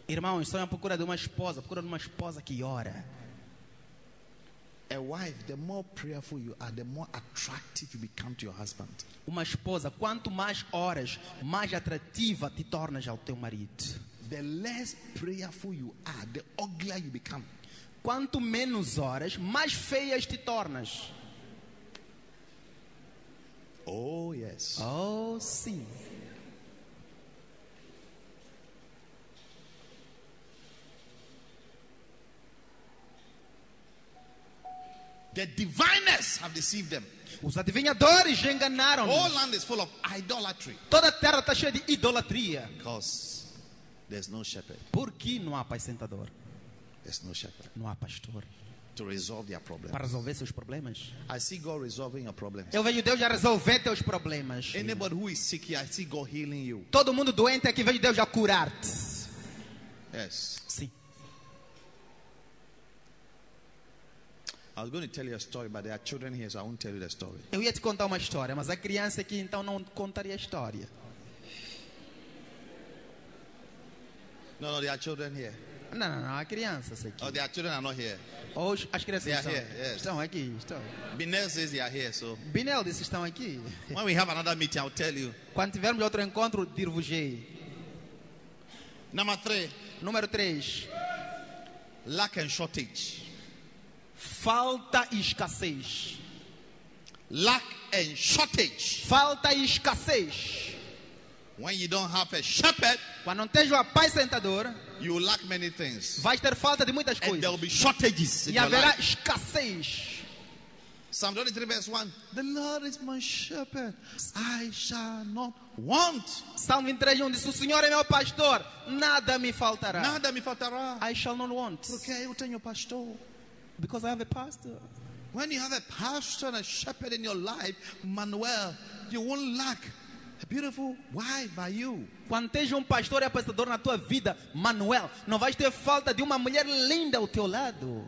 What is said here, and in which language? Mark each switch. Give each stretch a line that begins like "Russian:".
Portuguese: Irmãos, estão à procura de uma esposa, procura de uma esposa que ora.
English: A wife, the more prayerful you are, the more attractive you become to your husband.
Portuguese: Uma esposa, quanto mais oras, mais atrativa te tornas ao teu marido.
English: The less prayerful you are, the uglier you become.
Portuguese: Quanto menos oras, mais feias te tornas.
English: Oh yes.
Portuguese: Oh sim.
English: The diviners have deceived them.
Portuguese: Os adivinhadores enganaram.
English: All land is full of idolatry.
Portuguese: Toda terra está cheia de idolatria.
English: Because there's no shepherd.
Portuguese: Porque não há apacentador.
English: There's no shepherd.
Portuguese: Não há pastor.
English: To resolve their problems.
Portuguese: Para resolver seus problemas.
English: I see God resolving your problems.
Portuguese: Eu vejo Deus já resolver teus problemas.
English: Anybody who is sick here, I see God healing you.
Portuguese: Todo mundo doente aqui, vejo Deus já curar-te.
English: Yes.
Portuguese: Sim.
English: I was going to tell you a story, but there are children here, so I won't tell you the story.
Portuguese: Eu ia te contar uma história, mas a criança aqui então não contaria a história.
English: No, no, there are children here.
Portuguese: Não, não, não, há crianças aqui.
English: Oh, there are children are not here.
Portuguese: Oh, as crianças
English: they
Portuguese: estão.
English: Here, yes.
Portuguese: Estão aqui, estão.
English: Binel says they are here, so.
Portuguese: Binel disse estão aqui.
English: When we have another meeting, I'll tell you.
Portuguese: Quando tivermos outro encontro, dir-vos-ei.
English: Number 3.
Portuguese: Número 3.
English: Lack and shortage.
Portuguese: Falta e escassez.
English: Lack and shortage.
Portuguese: Falta e escassez.
English: When you don't have a shepherd,
Portuguese: quando não tens o apacentador,
English: you lack many things.
Portuguese: Vais ter falta de muitas coisas.
English: And there will be shortages in
Portuguese: e haverá escassez.
English: Psalm 23 verse 1. The Lord is my shepherd, I shall not want.
Portuguese: Salmo 23 1 diz, o Senhor é meu pastor, nada me faltará. Nada me faltará.
English: I shall not want.
Portuguese: Porque eu tenho pastor.
English: Because I have a pastor. When you have a pastor and a shepherd in your life, Manuel, you won't lack a beautiful wife by you.
Portuguese: Quando tens pastor e apacentador na tua vida, Manuel, não vais ter falta de uma mulher linda ao teu lado.